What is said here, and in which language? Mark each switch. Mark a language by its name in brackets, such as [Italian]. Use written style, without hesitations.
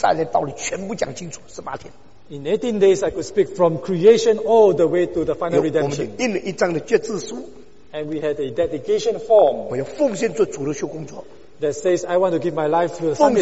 [Chinese] 创造到救赎到启示到基督再来道理全部讲清楚, 18天。 [English] In 18 days, I could speak from creation all the way to the final redemption. [Chinese] 我们印了一张的决志书, [English] and we had a dedication form. [Chinese] 我要奉献做主日学工作, [English] that says I want to give my life to the Sunday school.